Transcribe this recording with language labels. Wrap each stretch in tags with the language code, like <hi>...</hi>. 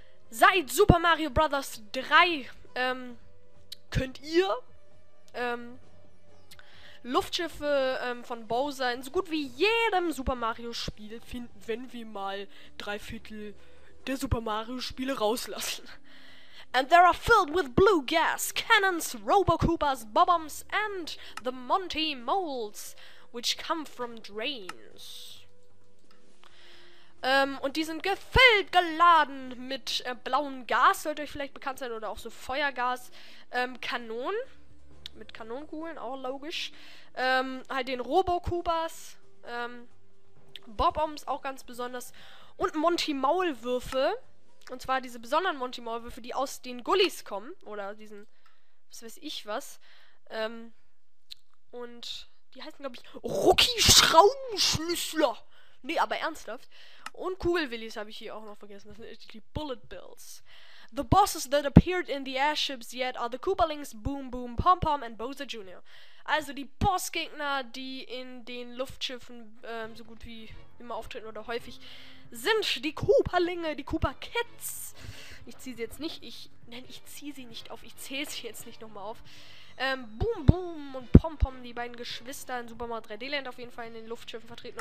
<de>Seit Super Mario Bros. 3 könnt ihr Luftschiffe von Bowser in so gut wie jedem Super Mario Spiel finden, wenn wir mal drei Viertel der Super Mario Spiele rauslassen.</de> <en>And they are filled with blue gas, cannons, Robo-Coopers, Bob-Ombs and the Monty Moles, which come from drains.</en> <de>Und die sind gefüllt, geladen mit blauem Gas, sollte euch vielleicht bekannt sein, oder auch so Feuergas, Kanonen, mit Kanonenkugeln, auch logisch, halt den Robo-Coopers, Bob-Ombs auch ganz besonders, und Monty Maulwürfe. Und zwar diese besonderen Monty-Maulwürfe, die aus den Gullis kommen. Oder diesen, was weiß ich was. Und die heißen, glaube ich, Rookie-Schraubenschlüssler. Nee, aber ernsthaft. Und Kugelwillis habe ich hier auch noch vergessen. Das sind die Bullet Bills.</de> <en>The bosses that appeared in the airships yet are the Koopalings, Boom Boom, Pom Pom and Bowser Jr.</en> <de>Also die Bossgegner, die in den Luftschiffen so gut wie immer auftreten oder häufig, sind die Koopalinge, die Koopa-Kids. Ich zähle sie jetzt nicht nochmal auf. Boom Boom und Pom Pom, die beiden Geschwister in Super Mario 3D Land auf jeden Fall in den Luftschiffen vertreten.</de>